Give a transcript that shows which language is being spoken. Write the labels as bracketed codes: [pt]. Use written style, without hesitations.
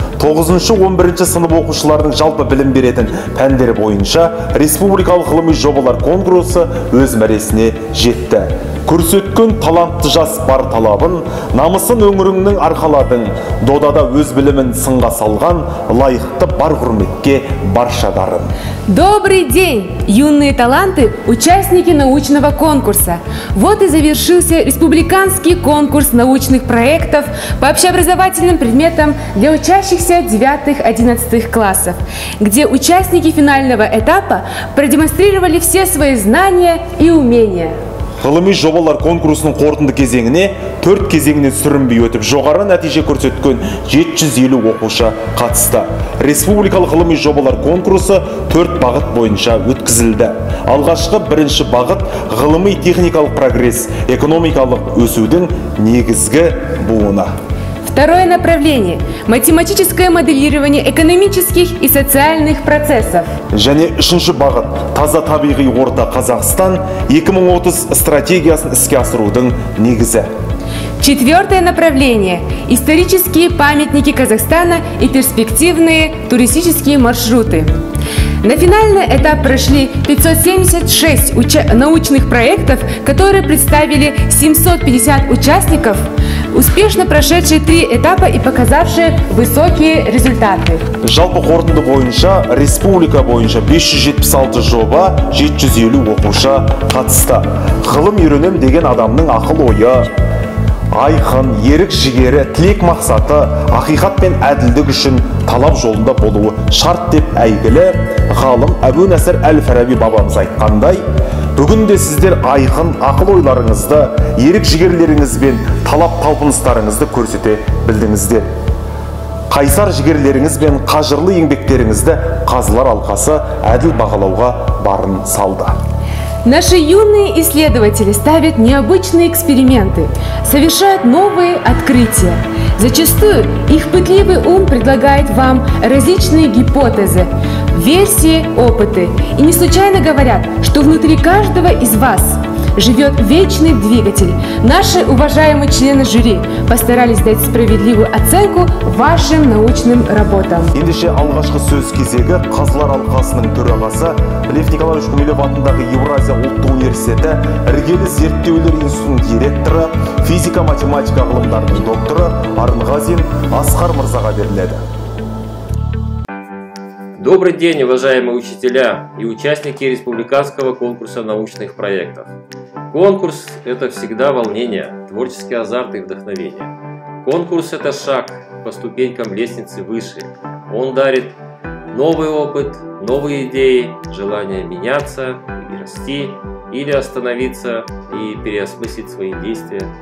[kk] 9-11 сынып оқушылардың жалпы білім беретін пәндері бойынша республикалық ғылыми жобалар конкурсы өз мәресіне жетті. Көрсеткен талантты жас бар талабын, намысын өңіріңнің арқаладың, додада өз білімін сынға салған лайықты бар құрметке баршадарын. [ru] Добрый день, юные таланты, участники научного конкурса. Вот и завершился республиканский конкурс научных проектов по общеобразовательным предметам для учащихся 9-11 классов, где участники финального этапа продемонстрировали все свои знания и умения. [kk] Ғылыми жобалар конкурсының қорытынды кезеңіне 4 кезеңінен сүрінбей өтіп, жоғары нәтиже көрсеткен 750 оқушы қатысты. Республикалық ғылыми жобалар конкурсы 4 бағыт бойынша өткізілді. Алғашқы бірінші бағыт ғылыми техникалық прогресс, экономикалық өсудің негізгі буыны. [ru] Второе направление – математическое моделирование экономических и социальных процессов. [kk] Және үшінші бағыт – таза табиғи орта Қазақстан 2030 стратегиясын іске асырудың негізі. [ru] Четвертое направление – исторические памятники Казахстана и перспективные туристические маршруты. На финальный этап прошли 576 научных проектов, которые представили 750 участников, успешно прошедшие 3 этапа и показавшие высокие результаты. [kk] Жалпы қорытынды бойынша, республика бойынша 576 жоба, 750 оқушы қатысты. Ғылым үйренем деген адамның ақыл ойы, айқын, ерік жігері, тілек мақсаты, ақиқат пен әділдік үшін талап жолында болуы шарт деп әйгілі ғалым Әбу Нәсір әл-Фараби бабамыз айтқандай, бүгінде сіздер айқын ақыл ойларыңызды, ерік жігерлеріңіз бен талап талпыныстарыңызды көрсете білдіңіздер. Қайсар жігерлеріңіз бен қажырлы еңбектеріңізді қазылар алқасы әділ бағалауға барын салды. [ru] Наши юные исследователи ставят необычные эксперименты, совершают новые открытия. Зачастую их пытливый ум предлагает вам различные гипотезы, версии, опыты. И не случайно говорят, что внутри каждого из вас живет вечный двигатель. Наши уважаемые члены жюри постарались дать справедливую оценку вашим научным работам. [kk] Ендеше алғашқы сөз кезегі Қазылар алқасының төрағасы Лев Николаевич Гумилев атындағы Евразия ұлттық университеті іргелі зерттеулер институтының директоры, физика-математика ғылымдарының докторы Арынғазин Асқар Мырзаға беріледі. [ru] Добрый день, уважаемые учителя и участники республиканского конкурса научных проектов. Конкурс – это всегда волнение, творческий азарт и вдохновение. Конкурс – это шаг по ступенькам лестницы выше. Он дарит новый опыт, новые идеи, желание меняться и расти, или остановиться и переосмыслить свои действия.